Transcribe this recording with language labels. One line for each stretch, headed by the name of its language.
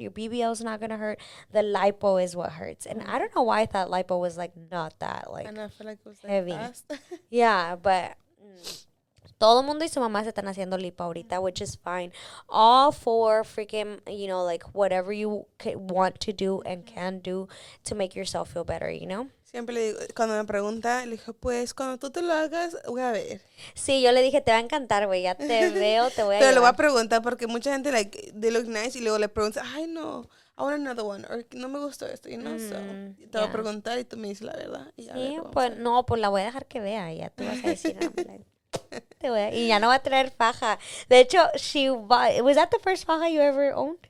English: Your BBL is not going to hurt. The lipo is what hurts. And I don't know why I thought lipo was like not that like, and I feel like it was heavy.
Spanish: Yeah, but. Todo mundo y su mamá se están haciendo lipo ahorita, which is fine.
English: All for freaking, you know, like whatever you want to do and can do to make yourself feel better, you know?
Spanish: Siempre le digo, cuando me pregunta, le dije, pues cuando tú te lo hagas, voy a ver. Sí, yo le dije, te va a encantar, güey, ya te veo, te voy a pero llevar. Lo voy a preguntar porque mucha gente, like, they look nice y luego le pregunta, ay, no. I want another one, or no me gustó esto, you know, so te voy a preguntar y tú me dices la verdad. Sí, pues no, pues la voy a dejar que vea, ya tú vas a decir, like, y ya no va a traer faja.
English: De hecho, was that the first faja you ever owned?